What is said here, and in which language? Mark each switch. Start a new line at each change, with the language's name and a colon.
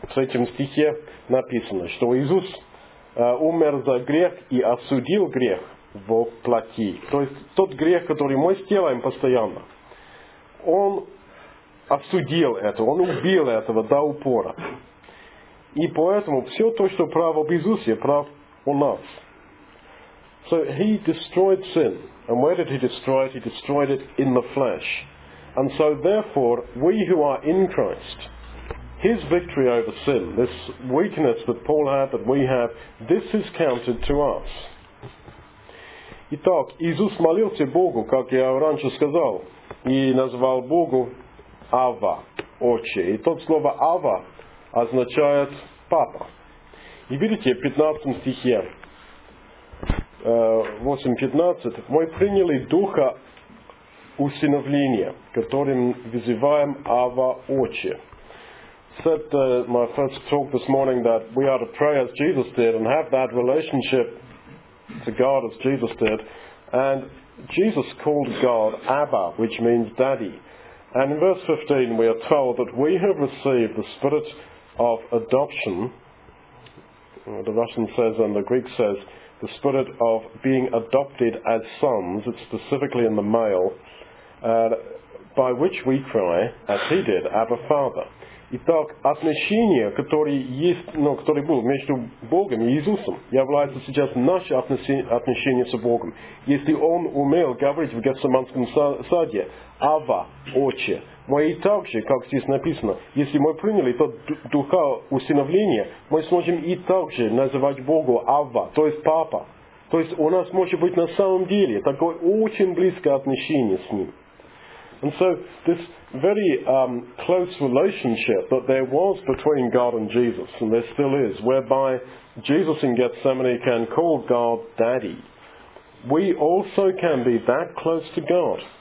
Russian: В третьем стихе написано, что Иисус умер за грех и осудил грех во плоти. То есть тот грех, который мы сделаем постоянно, он осудил это, он убил этого до упора. И поэтому все то, что прав об Иисусе, прав у нас.
English: So he destroyed sin. And where did he destroy it? He destroyed it in the flesh. And so therefore, we who are in Christ, his victory over sin, this weakness that Paul had, that we have, this is counted to us.
Russian: Итак, Иисус молился Богу, как я раньше сказал, и назвал Богу Ава, Отче. И тот слово Ава означает папа. И видите, в 15 стихе, 8.15, мы приняли духа усыновления, которым вызываем Ава, Отче.
English: Said my first talk this morning that we are to pray as Jesus did and have that relationship to God as Jesus did. And Jesus called God Abba, which means daddy. And in verse 15 we are told that we have received the spirit of adoption. The Russian says and the Greek says the spirit of being adopted as sons. It's specifically in the male. By which we cry, as he did, Abba Father.
Russian: Итак, отношение, которое есть, ну, которое было между Богом и Иисусом, является сейчас наше отношение с Богом. Если он умел говорить в Гефсиманском саде «Ава, Отче», мы и так же, как здесь написано, если мы приняли тот духа усыновления, мы сможем и так же называть Богу «Ава», то есть «Папа». То есть у нас может быть на самом деле такое очень близкое отношение с Ним.
English: And so this very close relationship that there was between God and Jesus, and there still is, whereby Jesus in Gethsemane can call God Daddy, we also can be that close to God.